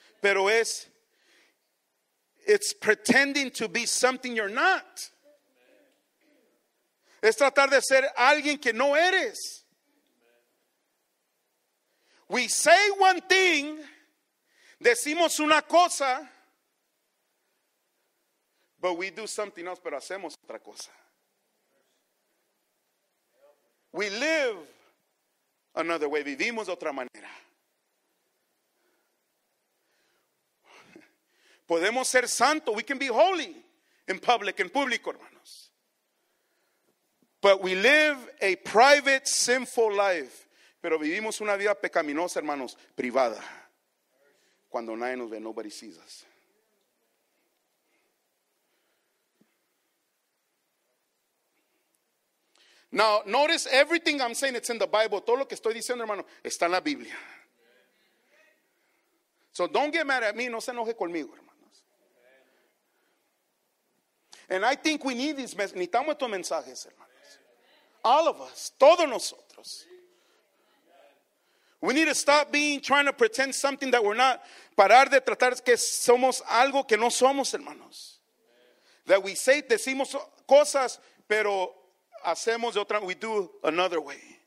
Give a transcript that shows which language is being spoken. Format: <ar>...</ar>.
<es>Pero es,</es> <en>it's pretending to be something you're not.</en> <es>Es tratar de ser alguien que no eres.</es> <en>We say one thing,</en> <es>decimos una cosa,</es> <en>but we do something else,</en> <es>pero hacemos otra cosa.</es> <en>We live another way,</en> <es>vivimos de otra manera. Podemos ser santo,</es> <en>we can be holy</en> <es>en público, hermanos.</es> <en>But we live a private, sinful life.</en> <es>Pero vivimos una vida pecaminosa, hermanos, privada. Cuando nadie nos ve,</es> <en>nobody sees us. Now, notice everything I'm saying, it's in the Bible.</en> <es>Todo lo que estoy diciendo, hermano, está en la Biblia.</es> <en>So don't get mad at me,</en> <es>no se enoje conmigo, hermanos.</es> <en>And I think we need these messages.</en> <es>Necesitamos estos mensajes, hermanos.</es> <en>All of us,</en> <es>todos nosotros.</es> <en>We need to stop being trying to pretend something that we're not.</en> <es>Parar de tratar que somos algo que no somos, hermanos.</es> <en>That we say,</en> <es>decimos cosas, pero hacemos de otra,</es> <en>we do another way.</en>